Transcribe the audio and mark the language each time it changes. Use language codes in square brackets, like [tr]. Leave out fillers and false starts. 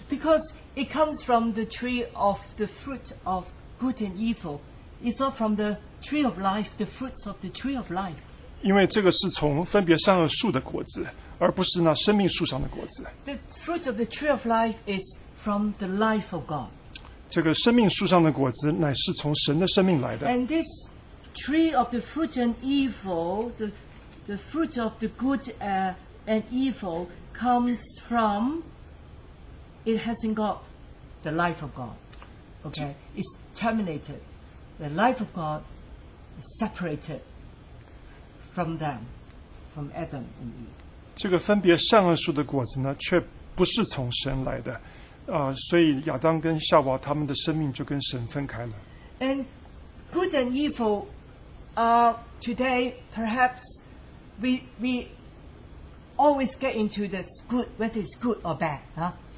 [en] Because it comes from the tree of the fruit of good and evil. It's not from the tree of life, the fruits of the tree of life. [zh] 因为这个是从分别善恶树的果子, 而不是那生命树上的果子。 [en] The fruit of the tree of life is from the life of God. [zh] 这个生命树上的果子乃是从神的生命来的。 [en] And this tree of the fruit and evil, the fruit of the good and evil comes from, it hasn't got the life of God. Okay, it's terminated. The life of God is separated from them, from Adam and Eve. [zh] 这个分别善恶树的果子呢，却不是从神来的， 所以亚当跟夏娃他们的生命就跟神分开了。 [en] And good and evil are today perhaps we always get into this good, whether it's good or bad, huh?